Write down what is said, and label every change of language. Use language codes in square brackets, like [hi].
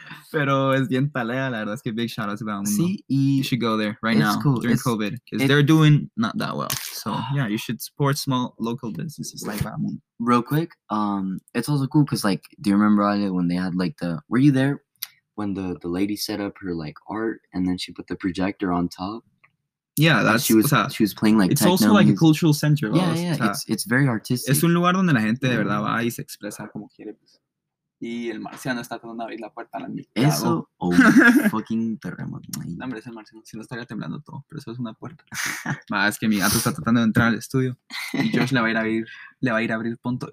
[es] Pero es bien talea, la verdad es que [en] big shout out to [es] Vagamundo. Sí, y [en] you should go there right now during COVID because they're doing not that well. So yeah, you should support small local businesses like Vagamundo. Real quick, it's also cool because, like, do you remember Ale when they had like the? Were you there when the lady set up her like art and then she put the projector on top? Yeah, that's like she was playing like. It's also like a cultural center. Yeah, yeah, it's very artistic. [es] Es un lugar donde la gente de verdad va y se expresa como quiere. Y el marciano está tratando de abrir la puerta a la mitad. Eso o un fucking terremoto. No, hombre, es el marciano. Si no, estaría temblando todo. Pero eso es una puerta. Va, es que mi gato está tratando de entrar al estudio. Y Josh le va a ir a abrir punto.